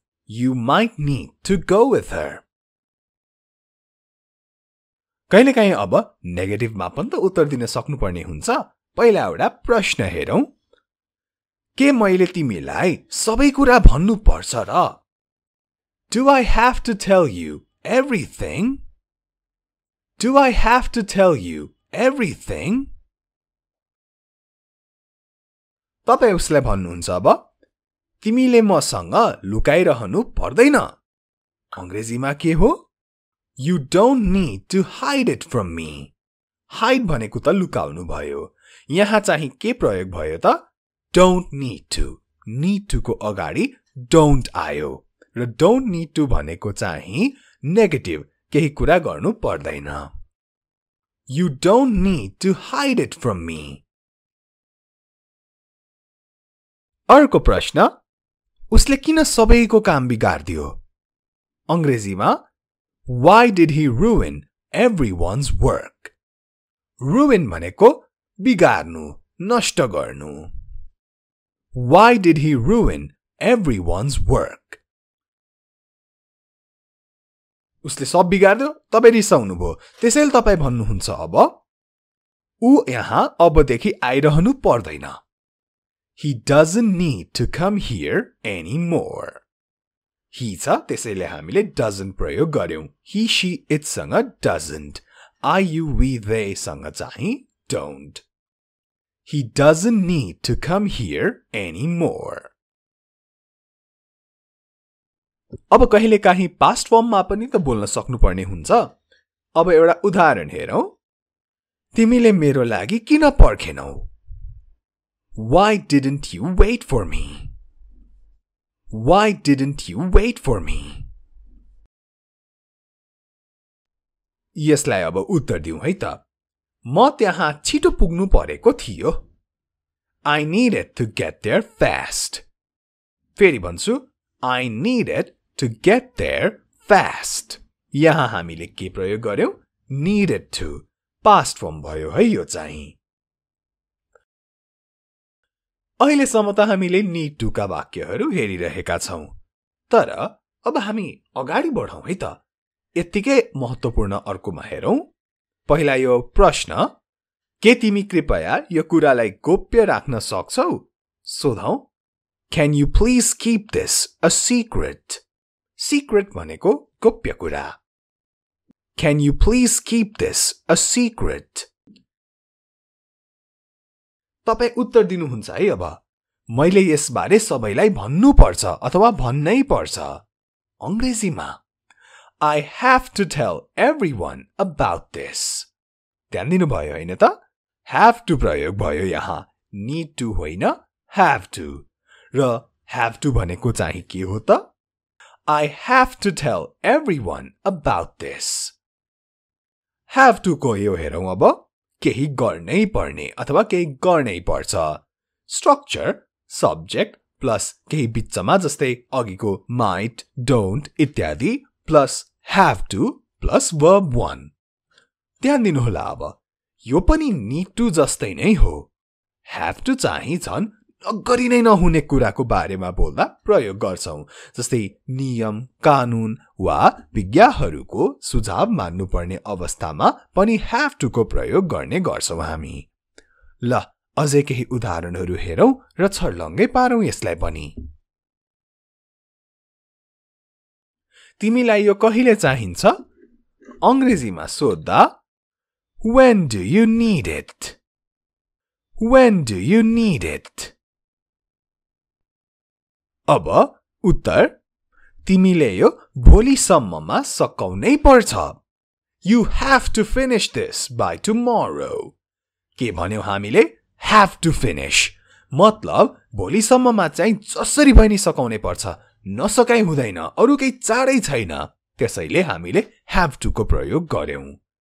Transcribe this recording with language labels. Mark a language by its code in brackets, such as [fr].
[en] You might need to go with her. [ne] कहिलेकाहीँ अब नेगेटिभमा पनि त उत्तर दिन सक्नुपर्ने हुन्छ. पहिला एउटा प्रश्न हेरौँ. के मैले तिमीलाई सबै कुरा भन्नुपर्छ र? [en] Do I have to tell you everything? Do I have to tell you everything? [ne] तपाईँ उसले भन्नुहुन्छ अब तिमीले मसँग लुकाइरहनु पर्दैन. अङ्ग्रेजीमा के हो? [en] You don't need to hide it from me. [ne] Hide भनेको त लुकाउनु भयो. यहाँ चाहिँ के प्रयोग भयो त? [en] Don't need to. [ne] Need to को अगाडि don't आयो. र don't need to भनेको चाहिँ negative, केही कुरा गर्नु पर्दैन. [en] You don't need to hide it from me. [ne] अर्को प्रश्न, उसले किन सबैको काम बिगारदियो? अङ्ग्रेजीमा [en] Why did he ruin everyone's work? [ne] Ruin भनेको बिगार्नु, नष्ट गर्नु. [en] Why did he ruin everyone's work? [ne] उसले सब बिगार्दियो, तपाईँ रिसाउनु भयो, त्यसैले तपाईँ भन्नुहुन्छ अब ऊ यहाँ अबदेखि आइरहनु पर्दैन. [en] He doesn't need to come here anymore. [ne] He छ, त्यसैले हामीले doesn't प्रयोग गर्यौँ. [en] He, she, itसँग doesn't. I, you, we, theysँग चाहिँ don't. He doesn't need to come here anymore. [ne] अब कहिले काहीँ पास्ट फर्ममा पनि त बोल्न सक्नुपर्ने हुन्छ. अब एउटा उदाहरण हेरौँ. तिमीले मेरो लागि किन पर्खेनौ? [en] Why didn't you wait for me? Why didn't you wait for me? [ne] यसलाई अब उत्तर दिउँ है त. म त्यहाँ छिटो पुग्नु परेको थियो. [en] I needed to get there fast. [ne] फेरि भन्छु, [en] I needed to get there fast. [ne] यहाँ हामीले के प्रयोग गर्यौँ? Needed to. पास्ट फर्म भयो है यो चाहिँ. अहिलेसम्म त हामीले need to का वाक्यहरू हेरिरहेका छौँ. तर अब हामी अगाडि बढौँ है त. यत्तिकै महत्त्वपूर्ण अर्कोमा हेरौँ. पहिला यो प्रश्न, के तिमी कृपया यो कुरालाई गोप्य राख्न सक्छौ? सोधौँ. [en] Can you please keep this a secret? [ne] Secret भनेको गोप्य कुरा. [en] Can you please keep this a secret? [ne] तपाईँ उत्तर दिनुहुन्छ है अब. मैले यसबारे सबैलाई भन्नुपर्छ अथवा भन्नै पर्छ. अङ्ग्रेजीमा [en] I have to tell everyone about this. [ne] ध्यान दिनुभयो होइन त? Have to प्रयोग भयो यहाँ. [en] Need to होइन, have to. [ne] र have to भनेको चाहिँ के हो त? [en] I have to tell everyone about this. [ne] Have to को यो हेरौँ अब. केही गर्नै पर्ने अथवा केही गर्नै पर्छ. स्ट्रक्चर सब्जेक्ट प्लस केही बिचमा, जस्तै अघिको माइट, डोन्ट इत्यादि, plus have to plus verb वन. ध्यान दिनुहोला अब, यो पनि निड टु जस्तै नै हो. ह्याभ टु चाहिँ झन् नगरी नै नहुने कुराको बारेमा बोल्दा प्रयोग गर्छौँ, जस्तै नियम, कानुन वा विज्ञहरूको सुझाव मान्नुपर्ने अवस्थामा पनि ह्याभ टुको प्रयोग गर्ने गर्छौँ हामी. ल, अझै केही उदाहरणहरू हेरौँ र छर्लङ्गै पारौँ यसलाई पनि. तिमीलाई यो कहिले चाहिन्छ? अङ्ग्रेजीमा सोद्धा [en] When do you need it? When do you need it? [ne] अब उत्तर, तिमीले यो भोलिसम्ममा सकाउनै पर्छ. [en] You have to finish this by tomorrow. [ne] के भन्यो हामीले? Have to finish. मतलब भोलिसम्ममा चाहिँ जसरी भए नि सकाउनै पर्छ, नसकाइ हुँदैन, अरू केही चाँडै छैन. त्यसैले हामीले have to को प्रयोग गर्यौँ.